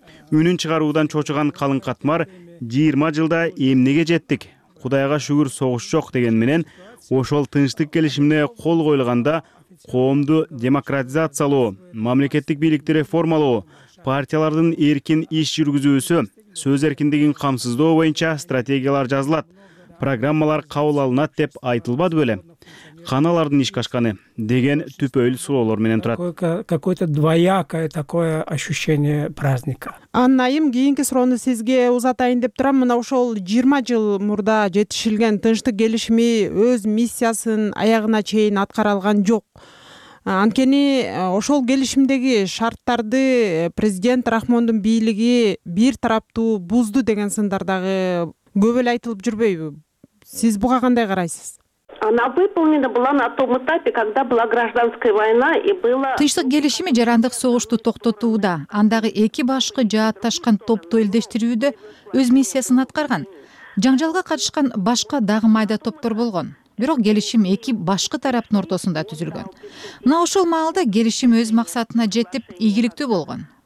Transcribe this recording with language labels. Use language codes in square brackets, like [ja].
[ky] үнүн чыгаруудан чочуган калың катмар 20 жылда эмнеге жеттик, Кудайга шүгүр согуш жок деген менен ошол тынчтык келишимине кол коюлганда коомду демократизациялоо, мамлекеттик бийликти реформалоо, партиялардын эркин иш жүргүзүүсү, сөз эркиндигин камсыздоо боюнча стратегиялар жазылат, программалар кабыл алынат деп айтылбады беле? Каналардын иш качканы деген түпөйлүү суроолор менен турат. [ru] Какое-то двоякое такое ощущение праздника. [ky] Аннайым, кийинки суроону сизге узатайын деп турам. Мына ошол 20 жыл мурда жетишилген тынчтык келишими өз миссиясын аягына чейин аткара алган жок. Анткени ошол келишимдеги шарттарды президент Рахмондун бийлиги бир тараптуу бузду деген сындар дагы көп эле айтылып жүрбөйбү? Сиз буга кандай карайсыз? [ru] Она выполнена была на том этапе, когда была гражданская война и было. [ky] Тыштык келишими жарандык согушту токтотууда, андагы эки башкы жааташкан топту элдештирүүдө өз миссиясын аткарган. Жаңжалга катышкан башка дагы майда топтор болгон. Бирок келишим эки башкы тараптын ортосунда түзүлгөн. Мына ошол маалда келишим өз максатына жетип, ийгиликтүү болгон.